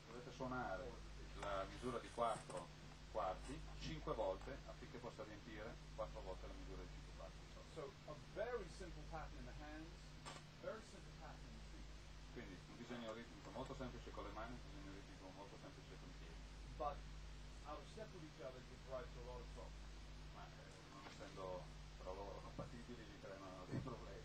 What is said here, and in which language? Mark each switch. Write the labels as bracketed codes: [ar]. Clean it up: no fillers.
[it] Suonare la misura di 4 quarti 5 volte affinché possa riempire 4 volte la misura di 5 quarti. [en] So a very simple pattern in the hands, very simple pattern in the feet. [it] Quindi un disegno ritmico molto semplice con le mani, un disegno ritmico molto semplice con i piedi. [en] But out of step with each other gives rise to a lot of problems. [it] Ma non essendo tra loro compatibili gli creano dei problemi.